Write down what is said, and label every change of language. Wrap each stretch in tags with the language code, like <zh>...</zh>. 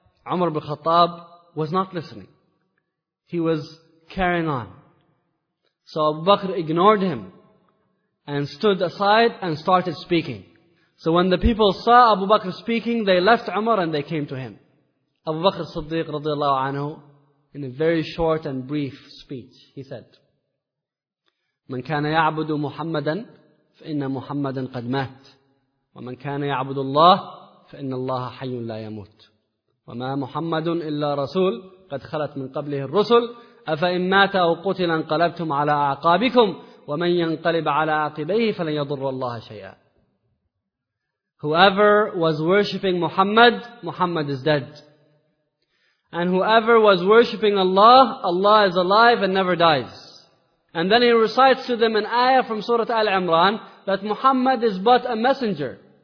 <en>Umar bin Khattab was not listening. He was carrying on. So Abu Bakr ignored him and stood aside and started speaking. So when the people saw Abu Bakr speaking, they left Umar and they came to him. Abu Bakr Siddiq radiallahu anhu, in a very short and brief speech, he said,</en> <ar>من كان يعبد محمدا فإن محمدا قد مات ومن كان يعبد الله فإن الله حي لا يموت وما محمد إلا رسول قد خلت من قبله الرسل أفإن مات أو قتل انقلبتم على أعقابكم ومن ينقلب على عقبيه فلن يضر الله شيئا.</ar> <en>Whoever was worshipping Muhammad, Muhammad is dead. And whoever was worshipping Allah, Allah is alive and never dies. And then he recites to them an ayah from Surah Al-Imran that Muhammad is but a messenger.</en>